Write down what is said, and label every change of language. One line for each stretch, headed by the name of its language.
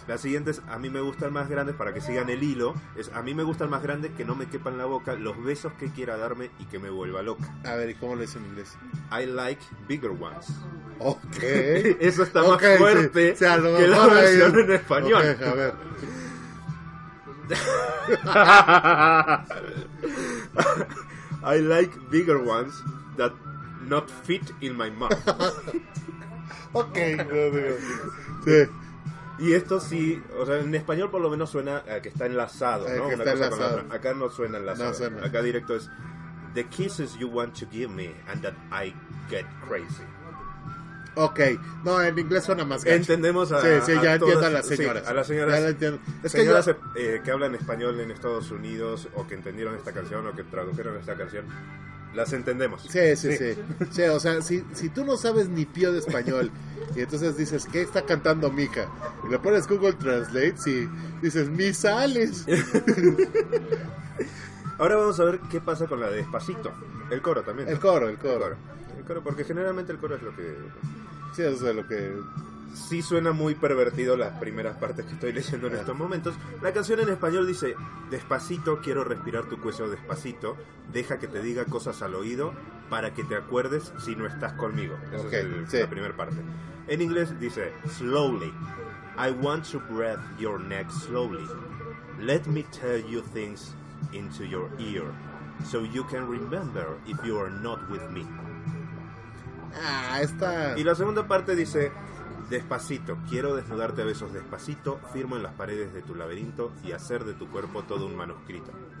Spanish: La siguiente es, a mí me gustan más grandes, para que sigan el hilo. Es, a mí me gustan más grandes, que no me quepan la boca, los besos que quiera darme y que me vuelva loca. A ver, ¿y cómo lo dice en inglés?
English: I like bigger ones.
Spanish: Ok. Eso está más fuerte que la versión en español. Okay, a ver.
English: I like bigger ones that not fit in my mouth.
Spanish: Ok, sí. Y esto sí, o sea, en español por lo menos suena a que está enlazado, ¿no? Que está una cosa enlazado. Acá no suena enlazado. No suena. Acá directo es:
English: The kisses you want to give me and that I get crazy.
Spanish: Ok, no, en inglés suena más gacho. Entendemos a. Sí, sí, ya entiendo a las señoras. Sí, a las señoras. Ya la entiendo. Es que señoras que hablan español en Estados Unidos o que entendieron esta canción o que tradujeron esta canción. Las entendemos. Sí, sí, sí. Sí, o sea, si tú no sabes ni pío de español y entonces dices, ¿qué está cantando mija? Y le pones Google Translate y dices, ¡misales! Ahora vamos a ver qué pasa con la de Despacito. El coro también. ¿No? El coro. El coro, porque generalmente el coro es lo que... Sí, eso es lo que... Sí suena muy pervertido las primeras partes que estoy leyendo en estos momentos. La canción en español dice, despacito, quiero respirar tu cuello despacito, deja que te diga cosas al oído para que te acuerdes si no estás conmigo. Esa es la primera parte. En inglés dice,
English: slowly, I want to breathe your neck slowly. Let me tell you things into your ear so you can remember if you are not with me.
Spanish: Ah, está. Y la segunda parte dice, despacito, quiero desnudarte a besos despacito, firmo en las paredes de tu laberinto y hacer de tu cuerpo todo un manuscrito.